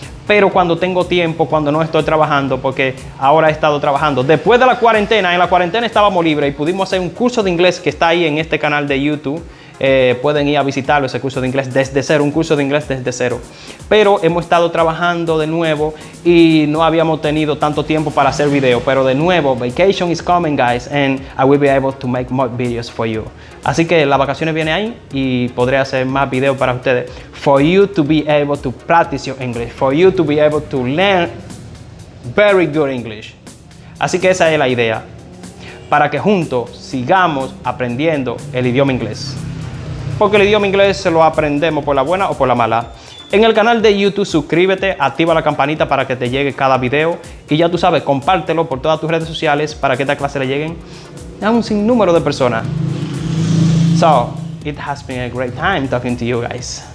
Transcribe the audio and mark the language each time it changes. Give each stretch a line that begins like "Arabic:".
Spanish: Pero cuando tengo tiempo, cuando no estoy trabajando, porque ahora he estado trabajando. Después de la cuarentena estábamos libres y pudimos hacer un curso de inglés que está ahí en este canal de YouTube. pueden ir a visitarlo, ese curso de inglés desde cero, un curso de inglés desde cero. Pero hemos estado trabajando de nuevo y no habíamos tenido tanto tiempo para hacer video. Pero de nuevo,
English: vacation is coming, guys, and I will be able to make more videos for you.
Spanish: Así que las vacaciones vienen ahí y podré hacer más videos para ustedes.
English: For you to be able to practice your English. For you to be able to learn very good English.
Spanish: Así que esa es la idea. Para que juntos sigamos aprendiendo el idioma inglés. Porque el idioma inglés se lo aprendemos por la buena o por la mala. En el canal de YouTube suscríbete, activa la campanita para que te llegue cada video. Y ya tú sabes, compártelo por todas tus redes sociales para que esta clase le lleguen a un sinnúmero de personas.
English: So, it has been a great time talking to you guys.